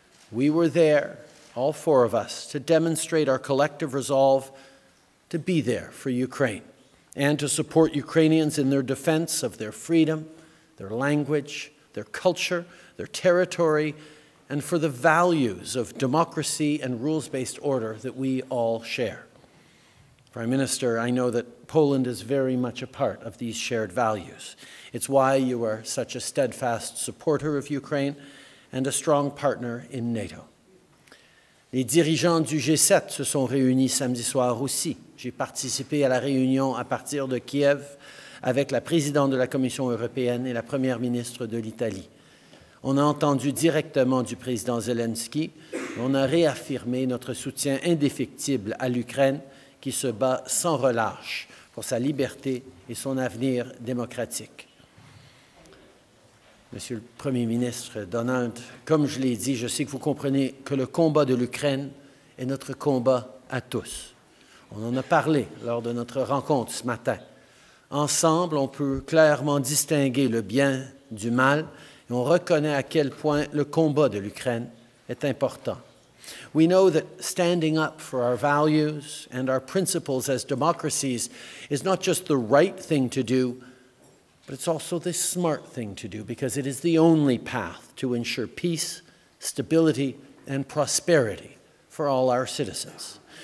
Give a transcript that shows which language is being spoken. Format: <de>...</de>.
<en>We were there, all four of us, to demonstrate our collective resolve to be there for Ukraine and to support Ukrainians in their defense of their freedom, their language, their culture, their territory, and for the values of democracy and rules-based order that we all share. Prime Minister, I know that Poland is very much a part of these shared values. It's why you are such a steadfast supporter of Ukraine and a strong partner in NATO.</en> <fr>Les dirigeants du G7 se sont réunis samedi soir aussi. J'ai participé à la réunion à partir de Kiev avec la présidente de la Commission européenne et la première ministre de l'Italie. On a entendu directement du président Zelensky. On a réaffirmé notre soutien indéfectible à l'Ukraine qui se bat sans relâche pour sa liberté et son avenir démocratique. Monsieur le Premier ministre Donald, comme je l'ai dit, je sais que vous comprenez que le combat de l'Ukraine est notre combat à tous. On en a parlé lors de notre rencontre ce matin. Ensemble, on peut clairement distinguer le bien du mal et on reconnaît à quel point le combat de l'Ukraine est important.</fr> <en>We know that standing up for our values and our principles as democracies is not just the right thing to do, but it's also the smart thing to do because it is the only path to ensure peace, stability and prosperity for all our citizens.</en>